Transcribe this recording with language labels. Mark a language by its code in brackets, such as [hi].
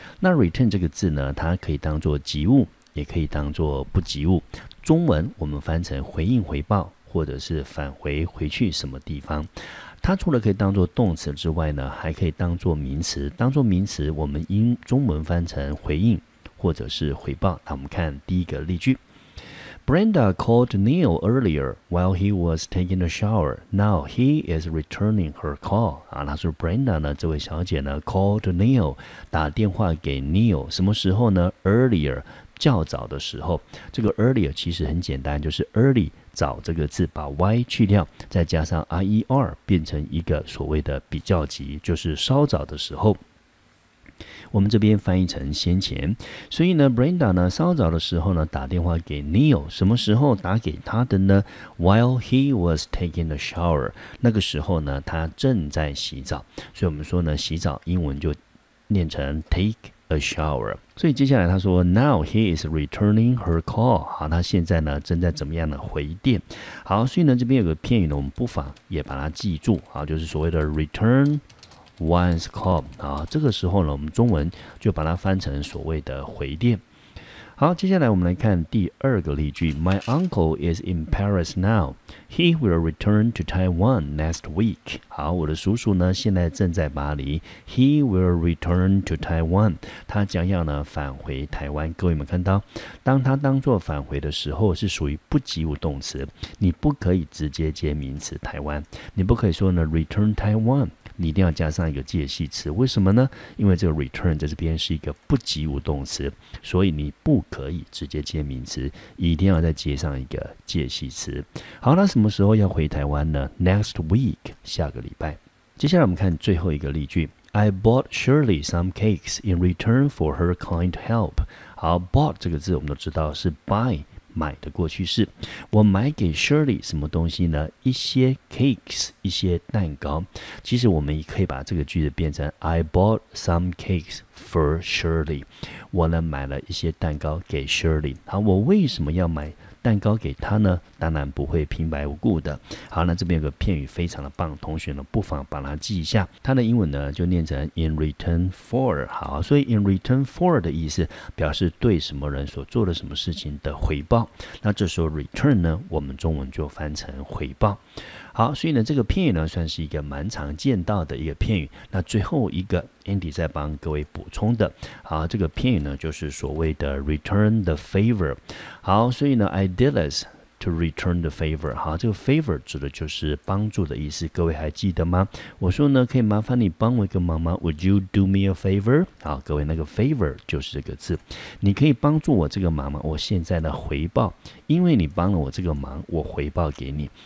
[zh] 那 return 这个字呢，它可以当作及物，也可以当作不及物，中文我们翻成回应回报，或者是返回回去什么地方。它除了可以当作动词之外呢，还可以当作名词。当作名词，我们英中文翻成回应或者是回报。那我们看第一个例句 ： [en] Brenda called Neil earlier while he was taking a shower. Now he is returning her call. [zh] 啊，那是 Brenda 呢？这位小姐呢 ？Called Neil， 打电话给 Neil， 什么时候呢 ？Earlier， 较早的时候。这个 earlier 其实很简单，就是 early。找这个字把 y 去掉，再加上 ier 变成一个所谓的比较级，就是稍早的时候，我们这边翻译成先前。所以呢 Brenda 呢稍早的时候呢打电话给 Neil， 什么时候打给他的呢？ [en] While he was taking a shower， [zh] 那个时候呢他正在洗澡。所以我们说呢洗澡英文就念成 takeA shower。所以接下来他说 [en] Now he is returning her call。 [zh] 好，他现在呢正在怎么样的回电。好，所以呢这边有个片语呢，我们不妨也把它记住。好，就是所谓的 return one's call。好，这个时候呢我们中文就把它翻成所谓的回电。好，接下来我们来看第二个例句。 [en] My uncle is in Paris now. He will return to Taiwan next week. [zh] 好，我的叔叔呢现在正在巴黎。 [en] He will return to Taiwan. [zh] 他将要呢返回台湾。各位有没有看到，当他当作返回的时候是属于不及物动词，你不可以直接接名词台湾，你不可以说呢 return Taiwan，你一定要加上一个介系词。为什么呢？因为这个 return 在这边是一个不及物动词，所以你不可以直接接名词，一定要再接上一个介系词。好，那什么时候要回台湾呢？ [en] Next week， [zh] 下个礼拜。接下来我们看最后一个例句。 [en] I bought Shirley some cakes in return for her kind help。 [zh] 好， bought 这个字我们都知道是 buy，买的过去式。我买给 Shirley 什么东西呢？一些 cakes， 一些蛋糕。其实我们也可以把这个句子变成 [en] I bought some cakes for Shirley， [zh] 我呢买了一些蛋糕给 Shirley。好，我为什么要买蛋糕给她呢？当然不会平白无故的。好，那这边有个片语非常的棒，同学呢不妨把它记一下。它的英文呢就念成 in return for。好，所以 in return for 的意思表示对什么人所做的什么事情的回报。那这时候 return 呢我们中文就翻成回报。好，所以呢这个片语呢算是一个蛮常见到的一个片语。那最后一个 Andy 在帮各位补充的，好，这个片语呢就是所谓的 return the favor。好，所以呢 [en] I did this to return the favor。 [zh] 好，这个 favor 指的就是帮助的意思，各位还记得吗？我说呢可以麻烦你帮我一个忙吗？ [en] Would you do me a favor？ [zh] 好，各位那个 favor 就是这个字，你可以帮助我这个忙吗？我现在呢回报，因为你帮了我这个忙，我回报给你。